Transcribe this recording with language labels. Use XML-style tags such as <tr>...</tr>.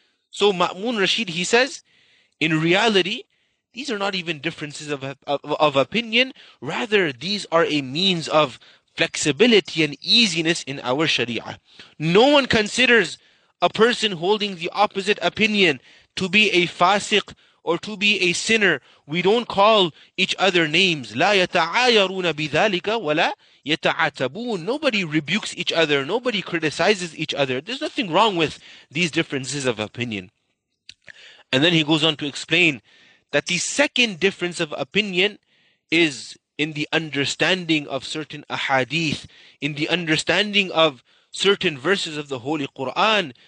<en>So Ma'mun Rashid, he says, in reality, these are not even differences of opinion. Rather, these are a means of flexibility and easiness in our Sharia. No one considers a person holding the opposite opinion to be a fasiq or to be a sinner. We don't call each other names.</en> <ar>لا يتعايرون بذلك ولا يتعاتبون.</ar> <en>Nobody rebukes each other. Nobody criticizes each other. There's nothing wrong with these differences of opinion. And then he goes on to explain that the second difference of opinion is in the understanding of certain ahadith, in the understanding of certain verses of the Holy Quran.</en>